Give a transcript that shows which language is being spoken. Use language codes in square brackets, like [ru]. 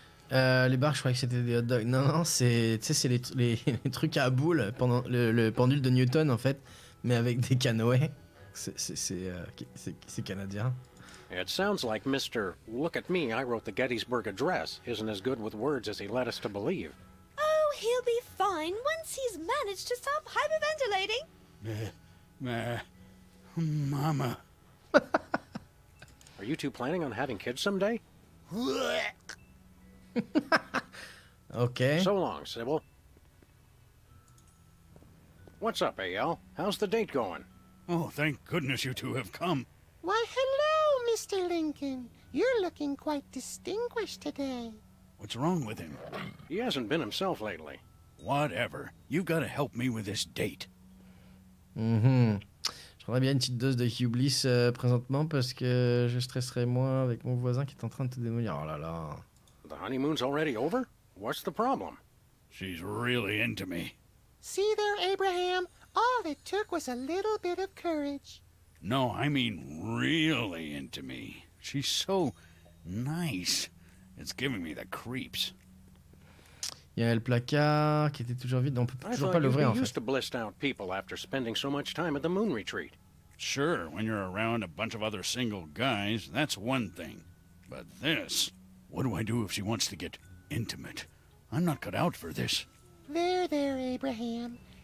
[fr] Les barres, je croyais que c'était des hot dogs. Non, c'est, tu sais, c'est les trucs à boules pendant le pendule de Newton, en fait, mais avec des canoës. C'est canadien. [en] It sounds like Mr. Look at me, I wrote the Gettysburg Address isn't as good with words as he led us to believe. Oh, he'll be fine once he's managed to stop hyperventilating. Mama. Are you two planning on having kids someday? Okay. So long, Sybil. What's up, A.L.? How's the date going? Oh, thank goodness you two have come. Why, hello, Mr. Lincoln. You're looking quite distinguished today. What's wrong with him? He hasn't been himself lately. Whatever. You've got to help me with this date. [fr] J'aimerais bien une petite dose de Hublis présentement parce que je stresserais moins avec mon voisin qui est en train de te démolir. Oh là là. [en] The honeymoon's already over? What's the problem? She's really into me. See there, Abraham? All it took was a little bit of courage. No, I mean really into me. She's so nice. It's giving me the creeps. [fr] Il y a le placard qui était toujours vide, on peut toujours pas l'ouvrir en fait. [en] I used to blist out people after spending so much time at the moon retreat. Sure, when you're around a bunch of other single guys, that's one thing. But this, what do I do if she wants to get intimate? I'm not cut out for this. There, Abraham.